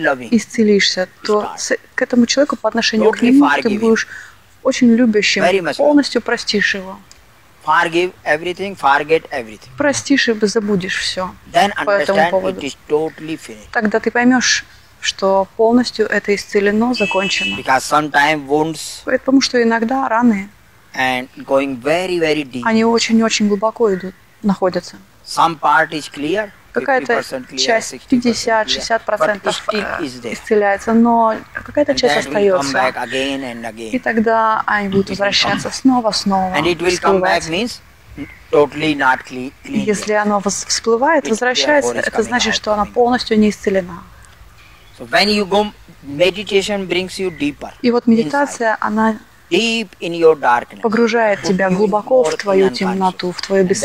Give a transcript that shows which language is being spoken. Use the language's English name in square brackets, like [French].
[Russian] исцелишься, то к этому человеку по отношению [English] totally [Russian] к нему ты будешь очень любящим, полностью простишь его. [English] Forgive everything, forget everything. [Russian] Простишь и забудешь все [English] then [Russian] по этому поводу. [English] It is totally finished. [Russian] Тогда ты поймешь, что полностью это исцелено, закончено. [English] Because sometimes wounds, [Russian] потому что иногда раны, [English] and going very, very deep. [Russian] Они очень-очень глубоко идут, находятся. [English] Some part is clear, [Russian] какая-то часть 50-60% исцеляется, но какая-то [English] and [Russian] часть остается. [English] Come back again and again. [Russian] И тогда они будут возвращаться снова-снова. [English] And it will come back means totally not clean. [Russian] Если оно всплывает, [English] it's [Russian] возвращается, это значит, что оно полностью не исцелено. [English] So when you go, meditation brings you deeper. [Russian] И вот медитация, она [English] deep in your darkness, [Russian] погружает тебя глубоко в твою темноту, в твое